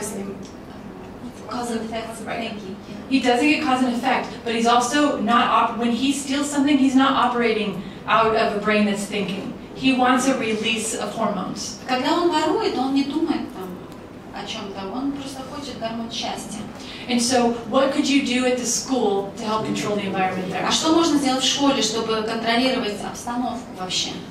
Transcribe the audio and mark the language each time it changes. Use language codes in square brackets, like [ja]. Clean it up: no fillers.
[en] He doesn't get cause and effect, but he's also not when he steals something, he's not operating out of a brain that's thinking. He wants a release of hormones. [ru] Когда он ворует, он не думает там о чем-то. Он просто хочет гормон счастья. [en] And so, what could you do at the school to help control the environment there? [ru] А что можно сделать в школе, чтобы контролировать обстановку вообще?